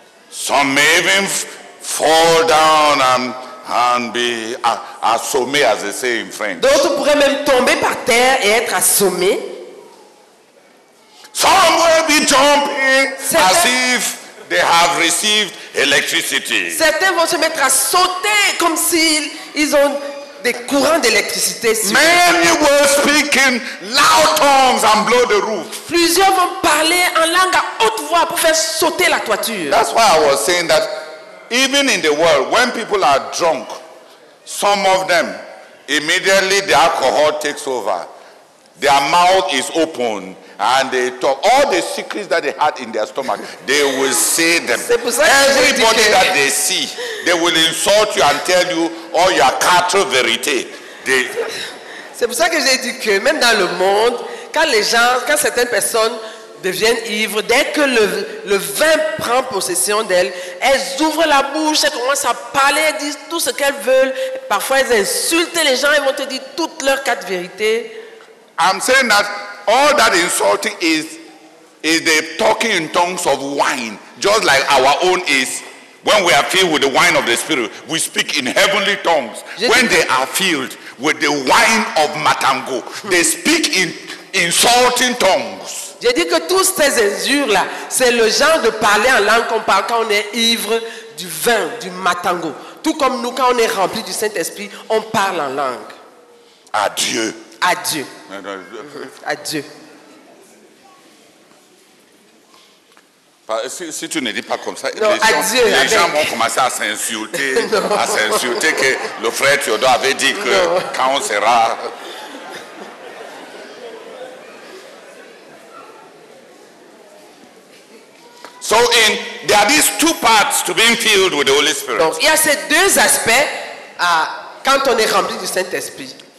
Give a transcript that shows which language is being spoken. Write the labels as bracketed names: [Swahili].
[English] Some may even fall down and be assommé, as they say in French. [French] D'autres pourraient même tomber par terre et être assommés. [English] Some will be jumping as if they have received electricity. [French] Certains vont se mettre à sauter comme s'ils ont des courants d'électricité. [English] Many will speak in loud tongues and blow the roof. [French] Plusieurs vont parler en langue à haute voix pour faire sauter la toiture. [English] That's why I was saying that even in the world, when people are drunk, some of them immediately the alcohol takes over. Their mouth is open and they talk all the secrets that they had in their stomach. They will say them. Everybody that they see, they will insult you and tell you all your [French] quatre vérités. C'est pour ça que j'ai dit que même dans le monde, quand les gens, quand certaines personnes deviennent ivres, dès que le vin prend possession d'elles, elles ouvrent la bouche, elles commencent à parler, elles disent tout ce qu'elles veulent. Parfois, elles insultent les gens, elles vont te dire toutes leurs quatre vérités. [English] I'm saying that all that insulting is the talking in tongues of wine, just like our own is. When we are filled with the wine of the Spirit, we speak in heavenly tongues. When they are filled with the wine of Matango, they speak in insulting tongues. [French] J'ai dit que toutes ces injures là, c'est le genre de parler en langue qu'on parle quand on est ivre du vin du Matango. Tout comme nous, quand on est rempli du Saint-Esprit, on parle en langue. Adieu. Adieu. Adieu. Si tu ne dis pas comme ça, non, les gens vont commencer à s'insulter. À s'insulter que le frère Théodore avait dit que non. Quand on sera. [English] So in there are these two parts to being filled with the Holy Spirit. [French] Donc il y a ces deux aspects quand on est rempli du Saint-Esprit.